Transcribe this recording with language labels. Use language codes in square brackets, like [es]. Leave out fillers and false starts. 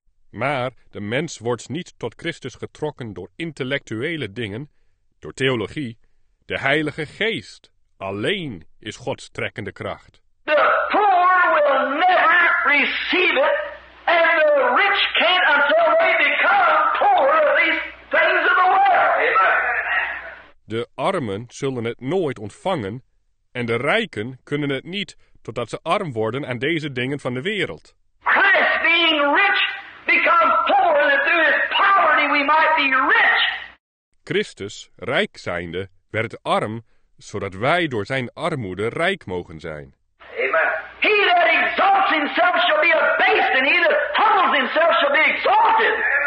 [nl] Maar de mens wordt niet tot Christus getrokken door intellectuele dingen, door theologie. De Heilige Geest alleen is Gods trekkende kracht. [en] The poor will never receive it, and the rich can't until they become poor of these things of the world. Amen. [nl] De armen zullen het nooit ontvangen en de rijken kunnen het niet totdat ze arm worden aan deze dingen van de wereld. [en] Christ being rich becomes poor that through his poverty we might be rich. [nl] Christus, rijk zijnde, werd arm zodat wij door zijn armoede rijk mogen zijn. Amen. [en] He that exalts himself shall be abased and he that humbles himself shall be exalted.